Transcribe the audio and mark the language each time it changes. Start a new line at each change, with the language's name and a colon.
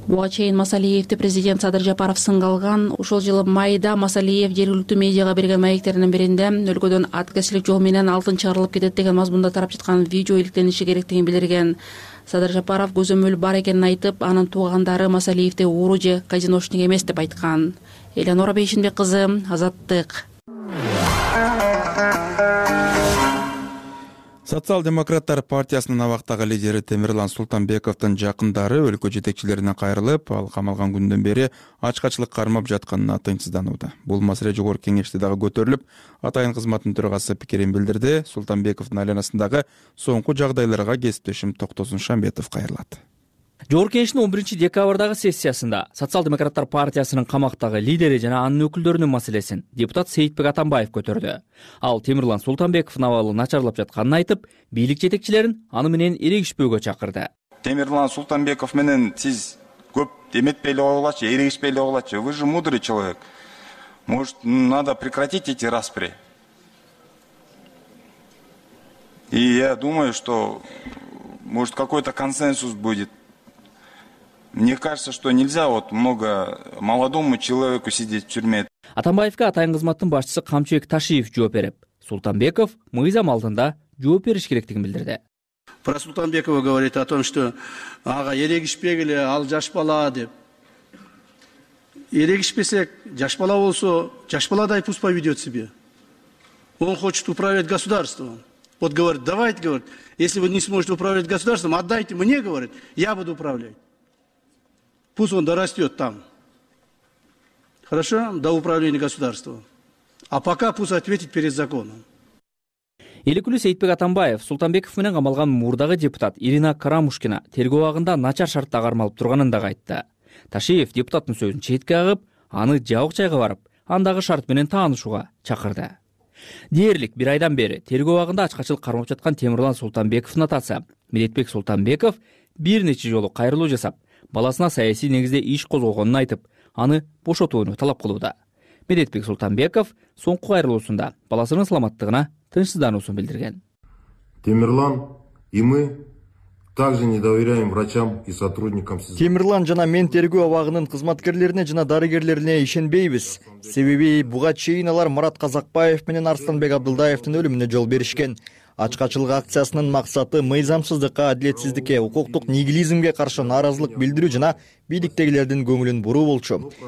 Kyrgyz: Буга чейин Масалиевди президент Садыр Жапаров сынга алган. Ошол жылы майда Масалиев жергиликтүү медиага берген маектеринин биринде өлкөдөн аткезчилик жол менен алтын чыгарылып кетет деген мазмунда тарап жаткан видео иликтениши керектигин билдирген. Садыр Жапаров көзөмөл бар экенин айтып, анын туугандары Масалиевди уру же казиношник эмес деп айткан. Эленора Бейшинбек кызы, Азаттык. Социал-демократтар партиясынын абактагы лидери Темирлан Султанбековдун жакындары өлкө жетекчилерине кайрылып, ал камалган күндөн бери ачкачылык кармап жатканына тынчсызданууда. Бул маселе жогорку кеңеште дагы көтөрүлүп, атайын кызматтын төрагасы пикирин билдирди. Султанбековдун айланасындагы соңку жагдайларга кесиптешим Токтосун Шамбетов кайрылат. Жогорку кеңештин 11 декабрдагы сессиясында социал-демократтар партиясынын камактагы лидери жана анын өкүлдөрүнүн маселесин депутат Сейитбек Атамбаев көтөрдү. Ал Темирлан Султанбековдун абалы начарлап жатканын айтып, бийлик жетекчилерин аны менен эрегишпөөгө чакырды. Темирлан Султанбеков менен сиз көп эметпейли койгулачы, эрегишпейли койгулачы.
Russian: Вы же мудрый человек. Может, надо прекратить эти распри? И я думаю, что может какой-то консенсус будет. Мне кажется, что нельзя вот много молодому человеку сидеть в тюрьме.
Kyrgyz: Атамбаевка атайын кызматтын башчысы Камчыбек Ташиев жооп берип, Султанбеков мыйзам алдында жооп бериш керектигин билдирди.
Russian: Про Султанбекова говорит о том, что
Kyrgyz: ага эрегишпегиле, ал жаш бала деп. Эрегишпесек, жаш бала болсо, жаш баладай
Russian: пуспай ведет себе. Он хочет управлять государством. Вот говорит, давайте, говорит, если вы не сможете управлять государством, отдайте мне, говорит, я буду управлять. Пусть он дорастет там. Хорошо? До управления государством. А пока пусть ответит перед законом.
Kyrgyz: Эликүлү Сейитбек Атамбаев, Султанбеков менен камалган мурдагы депутат Ирина Карамушкина тергөө убагында начар шартта кармалып турганын дагы айтты. Ташиев депутаттын сөзүн четке кагып, аны жабык жайга барып, андагы шарт менен таанышууга чакырды. Дээрлик бир айдан бери тергөө багында ачкачылык кармап жаткан Темирлан Султанбековдун атасы Милетбек Султанбеков бир нече жолу кайрылуу жасап, баласына саясий негизде иш козголгонун айтып, аны бошотууну талап кылууда. Милетбек Султанбеков соңку кайрылуусунда баласынын саламаттыгына тынчсызданууну билдирген.
Russian: Темирлан, и мы также не доверяем врачам и сотрудникам СИЗО.
Kyrgyz: Темирлан жана мен тергөө абагынын кызматкерлерине жана дарыгерлерине ишенбейбиз. Себеби буга чейин алар Марат Казакбаев менен Арстанбек Абдылдаевдин өлүмүнө жол беришкен. Ачкачылык акциясынын максаты мыйзамсыздыкка, адилетсиздикке, укуктук нигилизмге каршы нааразылык билдирүү жана бийликтегилердин көңүлүн буруу болчу.